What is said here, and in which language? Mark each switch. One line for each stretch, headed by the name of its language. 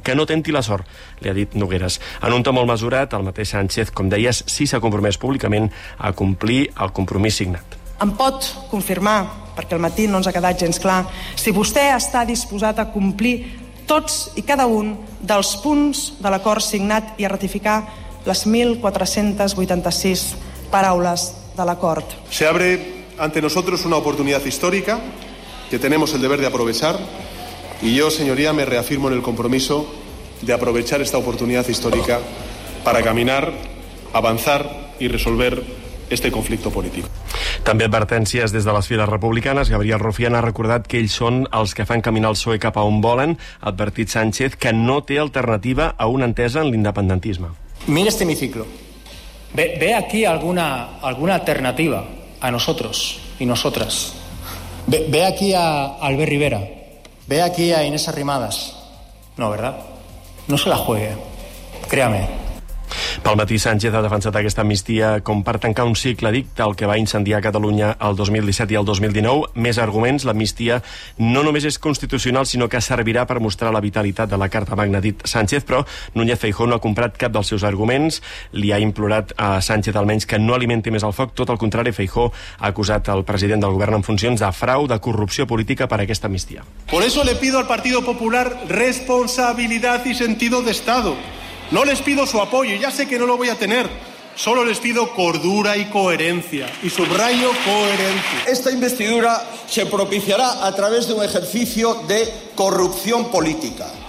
Catalan: Que no tenti la sort, li ha dit Nogueras. En un to molt mesurat, el mateix Sánchez, com deies, sí s'ha compromès públicament a complir el compromís signat. Em pot confirmar, perquè al matí no ens ha quedat gens clar, si vostè està disposat a complir tots i cada un dels punts de l'acord signat i a ratificar les 1.486 paraules de l'acord.
Spanish: Se abre ante nosotros una oportunidad histórica que tenemos el deber de aprovechar y yo, señoría, me reafirmo en el compromiso de aprovechar esta oportunidad histórica para caminar, avanzar y resolver este conflicto político.
Catalan: També advertències des de les files republicanes. Gabriel Rufián ha recordat que ells són els que fan caminar el PSOE cap a on volen. Ha advertit Sánchez que no té alternativa a una entesa en l'independentisme.
Spanish: Mira este hemiciclo. Ve aquí alguna alternativa a nosotros y nosotras. Ve aquí a Albert Rivera. Ve aquí a Inés Arrimadas. No, ¿verdad? No se la juegue. Créame.
Catalan: Pel matí, Sánchez ha defensat aquesta amnistia com per tancar un cicle, dic, del que va incendiar Catalunya el 2017 i el 2019. Més arguments, l'amnistia no només és constitucional, sinó que servirà per mostrar la vitalitat de la Carta Magna, dit Sánchez, però Núñez Feijóo no ha comprat cap dels seus arguments. Li ha implorat a Sánchez, almenys, que no alimenti més el foc. Tot el contrari, Feijóo ha acusat el president del govern en funcions de frau, de corrupció política per aquesta amnistia.
Spanish: Por eso le pido al Partido Popular responsabilidad y sentido de Estado. No les pido su apoyo, ya sé que no lo voy a tener. Solo les pido cordura y coherencia. Y subrayo coherencia. Esta investidura se propiciará a través de un ejercicio de corrupción política.